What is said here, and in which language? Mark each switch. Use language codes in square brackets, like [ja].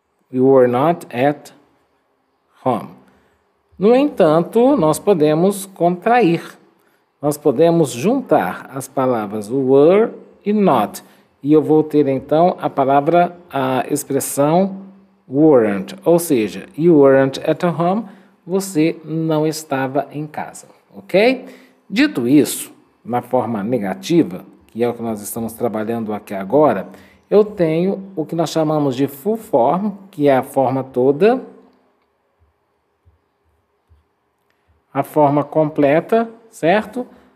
[en] You were not at home. [pt] No entanto, nós podemos contrair. Nós podemos juntar as palavras were e not. E eu vou ter, então, a palavra, a expressão weren't. Ou seja, [en] you weren't at home. [pt] Você não estava em casa, ok? Dito isso, na forma negativa, que é o que nós estamos trabalhando aqui agora, eu tenho o que nós chamamos de full form, que é a forma toda, a forma completa, certo?